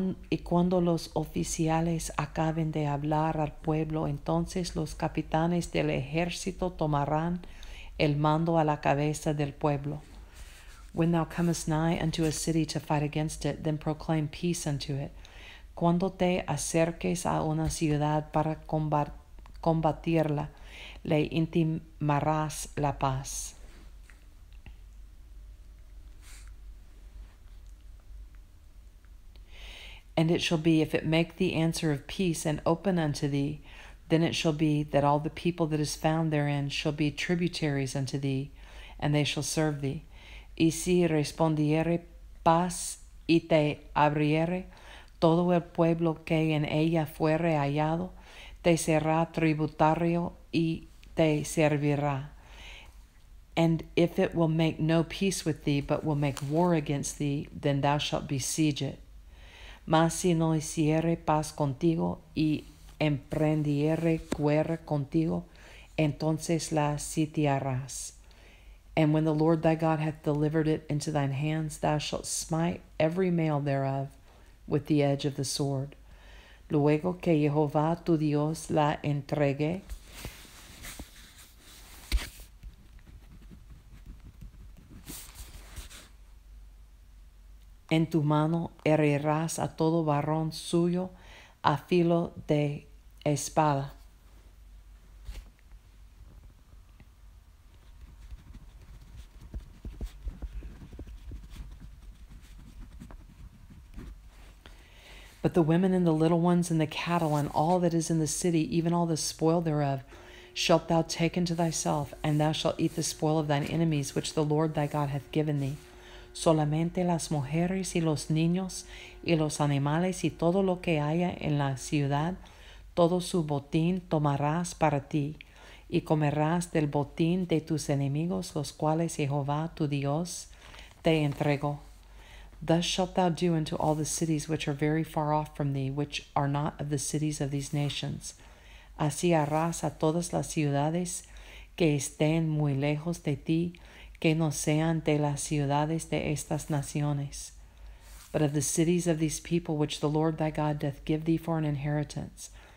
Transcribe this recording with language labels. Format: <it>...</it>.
<es>Y cuando los oficiales acaben de hablar al pueblo, entonces los capitanes del ejército tomarán el mando a la cabeza del pueblo.</es> <en>When thou comest nigh unto a city to fight against it, then proclaim peace unto it.</en> <es>Cuando te acerques a una ciudad para combatirla, le intimarás la paz.</es> <en>And it shall be, if it make the answer of peace and open unto thee, then it shall be that all the people that is found therein shall be tributaries unto thee, and they shall serve thee.</en> <es>Y si respondiere paz y te abriere, todo el pueblo que en ella fuere hallado, te será tributario y te servirá.</es> <en>And if it will make no peace with thee, but will make war against thee, then thou shalt besiege it.</en> <es>Mas si no hiciere paz contigo y emprendiere guerra contigo, entonces la sitiarás.</es> <en>And when the Lord thy God hath delivered it into thine hands, thou shalt smite every male thereof with the edge of the sword.</en> <es>Luego que Jehová tu Dios la entregue, en tu mano herirás a todo varón suyo a filo de espada.</es> <en>But the women and the little ones and the cattle and all that is in the city, even all the spoil thereof, shalt thou take unto thyself, and thou shalt eat the spoil of thine enemies which the Lord thy God hath given thee.</en> <es>Solamente las mujeres y los niños y los animales y todo lo que haya en la ciudad, todo su botín tomarás para ti, y comerás del botín de tus enemigos, los cuales Jehová tu Dios te entregó.</es> <en>Thus shalt thou do unto all the cities which are very far off from thee, which are not of the cities of these nations.</en> <es>Así harás a todas las ciudades que estén muy lejos de ti, que no sean de las ciudades de estas naciones,</es> <en>but of the cities of these people which the Lord thy God doth give thee for an inheritance.</en>